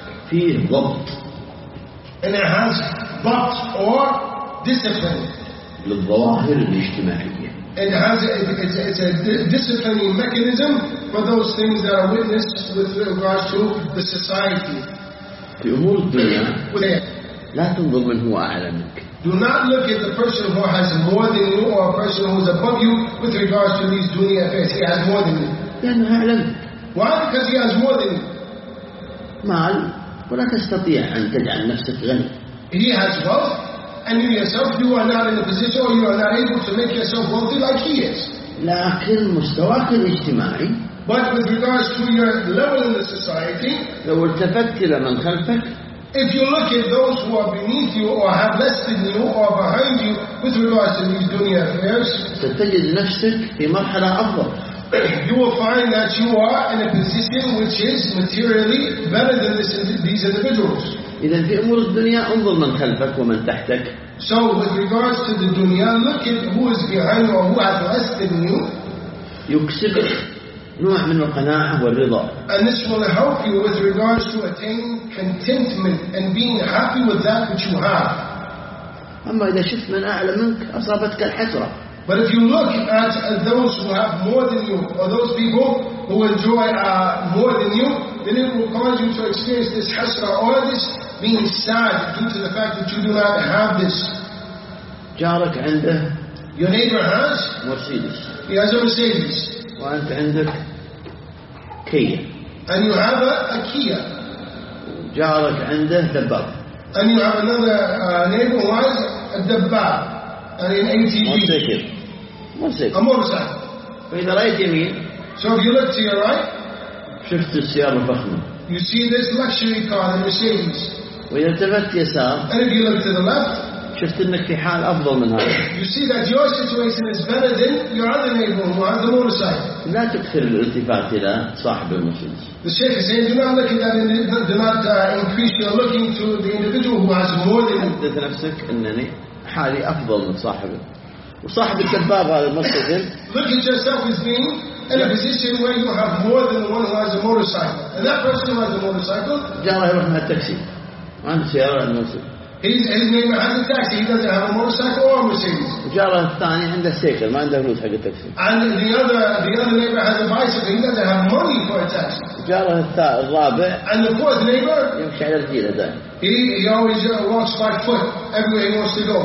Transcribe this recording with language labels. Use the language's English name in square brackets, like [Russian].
[Arabic] فيه ضبط. [English] And it has ضبط or discipline. [Arabic] للظواهر الاجتماعية. [English] It's a disciplining mechanism for those things that are witnessed with regards to the society. [Arabic] في أمور الدنيا لا تنظر من هو أعلى منك. [English] Do not look at the person who has more than you or a person who is above you with regards to these dunya affairs. He has more than you. [Arabic] لأنه أعلى منك. [English] Why? Because he has more than you. [Arabic] مال ولا تستطيع أن تجعل نفسك غني. [English] He has wealth, and you yourself, you are not in a position or you are not able to make yourself wealthy like he is. [Arabic] لكن مستواك الاجتماعي. [English] But with regards to your level in the society, [Arabic] لو التفت إلى من خلفك, [English] if you look at those who are beneath you or have less than you or behind you with regards to these dunya affairs, [Arabic] ستجد نفسك في مرحلة أفضل. [English] You will find that you are in a position which is materially better than these individuals. [Arabic] إذن في أمور الدنيا انظر من خلفك ومن تحتك. [English] So with regards to the dunya, look at who is behind you or who has less than you. [Arabic] يكسب نوع من القناعة والرضا. [English] And this will help you with regards to attaining contentment and being happy with that which you have. [Arabic] أما إذا شفت من أعلى منك أصابتك الحسرة. [English] But if you look at those who have more than you, or those people who enjoy more than you, then it will cause you to experience this hasra, or this being sad due to the fact that you do not have this. [Arabic] جارك عنده. [English] Your neighbor has. Mercedes. He has a Mercedes. [Arabic] وأنت عندك Kia. [English] And you have a Kia. [Arabic] جارك عنده دباب. [English] And you have another neighbor who has a دباب. [Arabic] موتوسيكل. موتوسيكل. موتوسيكل. فإذا رأيت يمين. [English] So if you look to your right. [Arabic] شفت السيارة الفخمة. [English] You see this luxury car, the Mercedes. [Arabic] وإذا التفت يسار. [English] And if you look to the left. [Arabic] شفت إنك في حال أفضل من هذا. [English] You see that your situation is better than your other neighbor who has the motorcycle. [Arabic] لا تكثر الالتفات إلى صاحب المرسيدس. [English] The Sheikh is saying, do not look at that. Do not increase your looking to the individual who has more than you. [Arabic] حدث نفسك إنني. حالي أفضل من صاحبه وصاحب الدباب هذا المرسيدس. [English] Look at yourself as being in a position where you have more than the one who has a motorcycle. And that person who has a motorcycle. [Arabic] جاء الله يرحمه التاكسي. ما عنده سيارة ولا موتوسيكل. [English] His neighbor has a taxi. He doesn't have a motorcycle or a Mercedes. [Arabic] جاء الله الثاني عنده سيكل ما عنده فلوس حق التاكسي. [English] And the other neighbor has a bicycle. He doesn't have money for a taxi. [Arabic] جاء الله الرابع. [English] And the fourth neighbor. [Arabic] يمشي على رجله دائما. [English] He always walks by foot everywhere he wants to go.